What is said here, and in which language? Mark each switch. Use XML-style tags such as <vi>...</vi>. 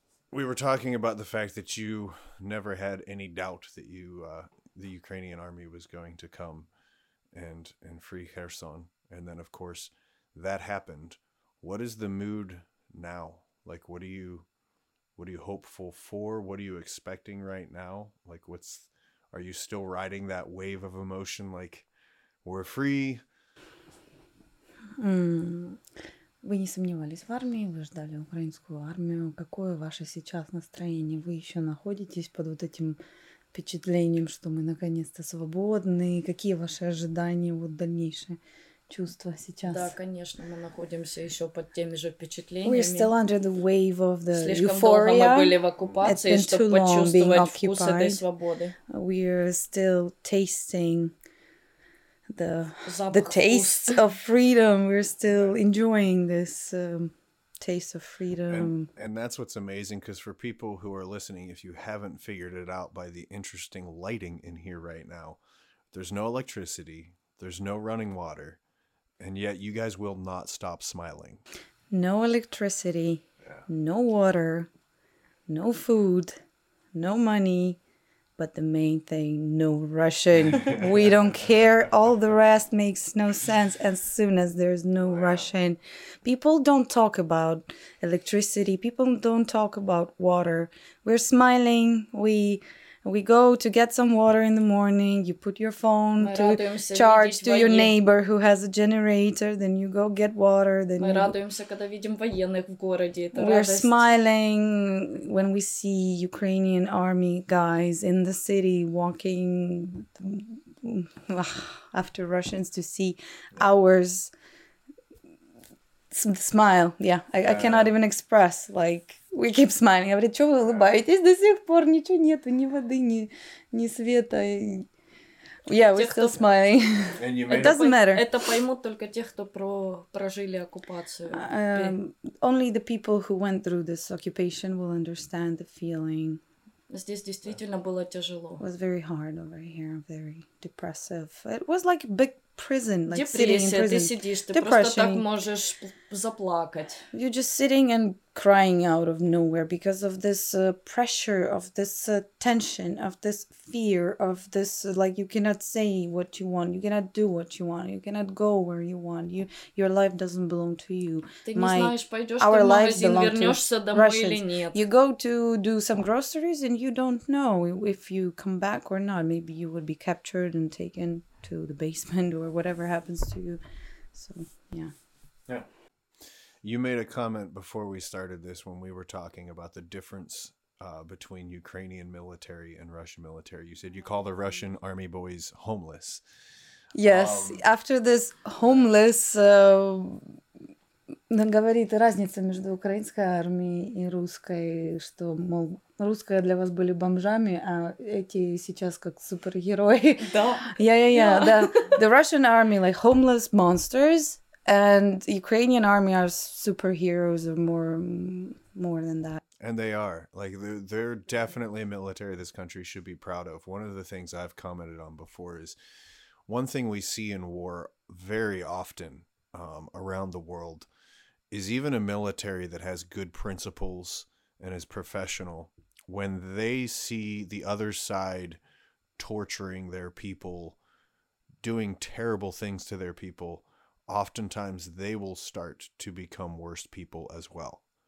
<en>We were talking about the fact that you never had any doubt that you the Ukrainian army was going to come and free Kherson. And then, of course, that happened. What is the mood now? Like, what are you hopeful for? What are you expecting right now? Like, are you still riding that wave of emotion? Like, we're free.</en> <uk>Ви не сумнівались в армії, ви ждали українську армію.</uk> <ru>Какое ваше сейчас настроение? Ви еще находитесь под вот этим впечатлением, что мы наконец-то свободны? Какие ваши ожидания, вот дальнейшие чувства сейчас? Да, конечно, мы находимся еще под теми же впечатлениями.</ru> <en>We are still under the wave of the</en> <ru>Слишком</ru> <en>euphoria.</en> <ru>Долго мы были в оккупации, чтобы почувствовать вкус этой свободы.</ru> <en>We are still tasting the taste of freedom. We're still enjoying this taste of freedom. And that's what's amazing, because for people who are listening, if you haven't figured it out by the interesting lighting in here right now, there's no electricity, there's no running water, and yet you guys will not stop smiling. No electricity, yeah. No water, no food, no money. But the main thing, no Russian. We don't care. All the rest makes no sense as soon as there's no wow. Russian. People don't talk about electricity. People don't talk about water. We're smiling. We go to get some water in the morning. You put your phone to charge to your neighbor who has a generator. Then you go get water. Then</en> <uk>ми радуємося, коли бачимо військових в місті.</uk> <en>We're smiling when we see Ukrainian army guys in the city walking after Russians to see ours. Smile. Yeah, I cannot even express, like, we keep smiling.</en> <uk>Я говорю, чого ви улыбаєтесь? До сих пор нічого нету, ні води, ні света.</uk> <en>Yeah, we're still smiling. It doesn't matter.</en> <uk>Це поймуть тільки ті, хто прожили окупацію.</uk> <en>Only the people who went through this occupation will understand the feeling.</en> <ru>Здесь действительно було тяжело.</ru> <en>It was very hard over here, very depressive. It was like a big prison, like sitting in prison.</en> <uk>Депресія, ти сидиш, ти просто так можеш заплакати.</uk> <en>You're just sitting and crying out of nowhere because of this pressure, of this tension, of this fear, of this, like, you cannot say what you want, you cannot do what you want, you cannot go where you want, your life doesn't belong to you.</en> <ru>Ти не знаєш, пойдеш ти в магазин, вернешься домой или нет.</ru> <en>You go to do some groceries and you don't know if you come back or not. Maybe you would be captured and taken to the basement or whatever happens to you. So, yeah. Yeah. You made a comment before we started this when we were talking about the difference between Ukrainian military and Russian military. You said you call the Russian army boys homeless. Yes, after this homeless...</en> <ru>Говорите, разница между украинской армией и русской, что, мол, русская для вас были бомжами, а эти сейчас как супергерои. Да.</ru> <en>Yeah. Да. The Russian army, like homeless monsters, and Ukrainian army are superheroes or more than that. And they are. Like, they're definitely a military this country should be proud of. One of the things I've commented on before is one thing we see in war very often around the world is even a military that has good principles and is professional, when they see the other side torturing their people, doing terrible things to their people, oftentimes they will start to become worse people as well.</en>